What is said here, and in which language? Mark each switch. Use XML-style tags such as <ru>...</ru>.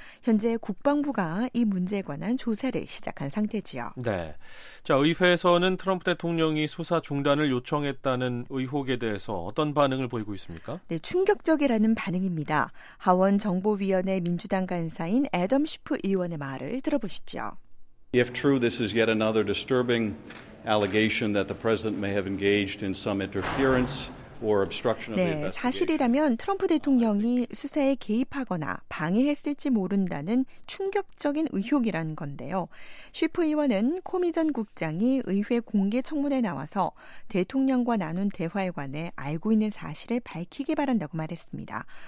<ko>현재 국방부가 이 문제에 관한 조사를 시작한 상태지요. 네. 자, 의회에서는 트럼프 대통령이 수사 중단을 요청했다는 의혹에 대해서 어떤 반응을 보이고 있습니까? 네, 충격적이라는 반응입니다. 하원 정보위원회 민주당 간사인 애덤 슈프 의원의 말을 들어보시죠.</ko> <en>If true, this is yet another disturbing allegation that the president may have engaged in some interference.</en> <ko>네, 사실이라면 트럼프 대통령이 수사에 개입하거나 방해했을지 모른다는 충격적인 의혹이라는 건데요. 슈프 의원은 코미 전 국장이 의회 공개 청문회에 나와서 대통령과 나눈 대화에 관해 알고 있는 사실을 밝히기 바란다고 말했습니다.</ko>